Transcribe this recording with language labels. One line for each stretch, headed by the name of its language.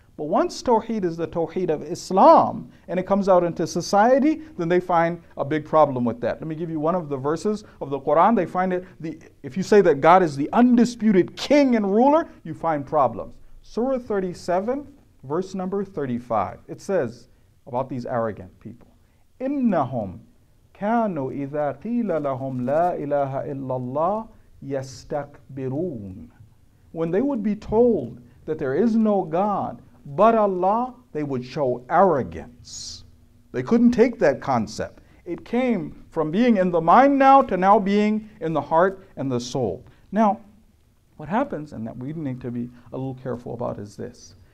English: But once Tawheed is the Tawheed of Islam, and it comes out into society, then they find a big problem with that. Let me give you one of the verses of the Quran. They find it, if you say that God is the undisputed king and ruler, you find problems. Surah 37, verse number 35. It says about these arrogant people,
Arabic: إِنَّهُمْ كَانُوا إِذَا قِيلَ لَهُمْ لَا إِلَهَ إِلَّا اللَّهِ يَسْتَكْبِرُونَ.
English: When they would be told that there is no God but Allah, they would show arrogance. They couldn't take that concept. It came from being in the mind now to now being in the heart and the soul. Now, what happens, and that we need to be a little careful about, is this.